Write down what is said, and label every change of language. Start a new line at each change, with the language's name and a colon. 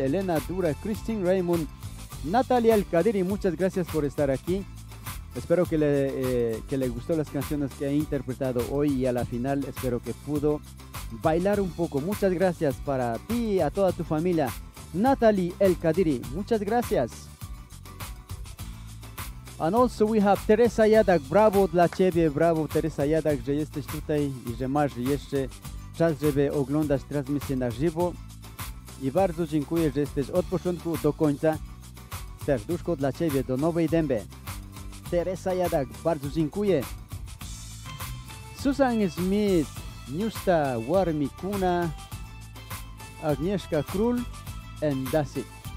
Spanish: Elena Dura, Christine Raymond, Natalia Alcadiri, muchas gracias por estar aquí. Espero que le gustó las canciones que he interpretado hoy, y a la final espero que pudo bailar un poco. Muchas gracias para ti y a toda tu familia, Natalie El Kadiri, muchas gracias.
English: And also we have
Polish: Teresa Yadak, bravo dla ciebie, bravo Teresa Yadak, że jesteś tutaj i że masz jeszcze czas, żeby oglądać transmisję na żywo. I bardzo dziękuję, że jesteś od początku do końca. Serduszko dla ciebie, do Nowej Dęby. Teresa Yadak, bardzo dziękuję.
English: Susan Smith, Niusta Warmikuna, Agnieszka Król, and that's it.